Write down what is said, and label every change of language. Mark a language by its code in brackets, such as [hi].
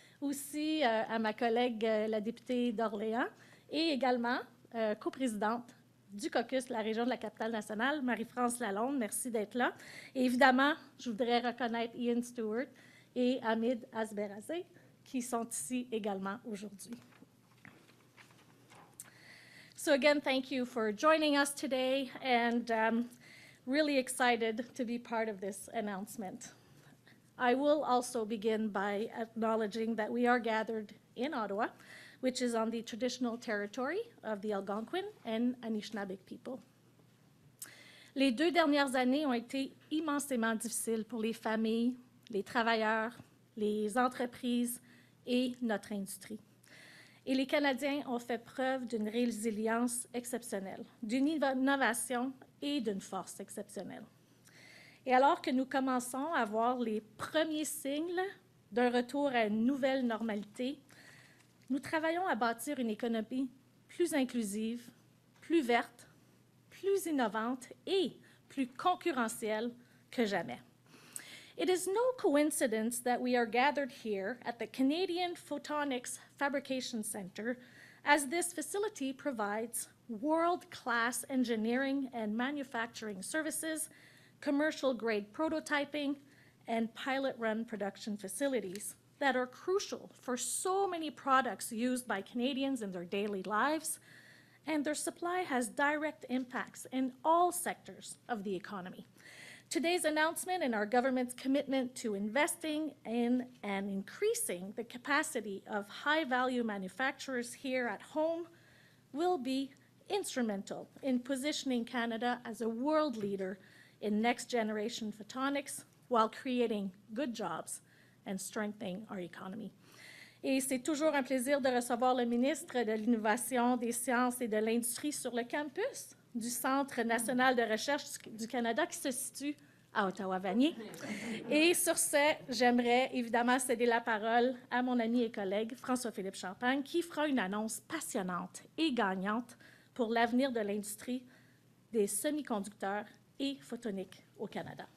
[fr] Aussi à ma collègue, la députée d'Orléans, et également coprésidente du caucus de la région de la Capitale-Nationale, Marie-France Lalonde. Merci d'être là. Et évidemment, je voudrais reconnaître Iain Stewart et Hamid Arabzadeh, qui sont ici également aujourd'hui. [en] So again, thank you for joining us today, and really excited to be part of this announcement. I will also begin by acknowledging that we are gathered in Ottawa, which is on the traditional territory of the Algonquin and Anishinaabeg people. [fr] Les deux dernières années ont été immensément difficiles pour les familles, les travailleurs, les entreprises et notre industrie. Et les Canadiens ont fait preuve d'une résilience exceptionnelle, d'une innovation et d'une force exceptionnelle. Et alors que nous commençons à voir les premiers signes d'un retour à une nouvelle normalité, nous travaillons à bâtir une économie plus inclusive, plus verte, plus innovante et plus concurrentielle que jamais. [en] It is no coincidence that we are gathered here at the Canadian Photonics Fabrication Center, as this facility provides world-class engineering and manufacturing services, commercial-grade prototyping, and pilot-run production facilities that are crucial for so many products used by Canadians in their daily lives, and their supply has direct impacts in all sectors of the economy. Today's announcement and our government's commitment to investing in and increasing the capacity of high-value manufacturers here at home will be instrumental in positioning Canada as a world leader in next-generation photonics while creating good jobs and strengthening our economy. [fr] Et c'est toujours un plaisir de recevoir le ministre de l'Innovation, des Sciences et de l'Industrie sur le campus du Centre national de recherche du Canada qui se situe à Ottawa-Vanier. Et sur ce, j'aimerais évidemment céder la parole à mon ami et collègue François-Philippe Champagne qui fera une annonce passionnante et gagnante pour l'avenir de l'industrie des semi-conducteurs et photoniques au Canada.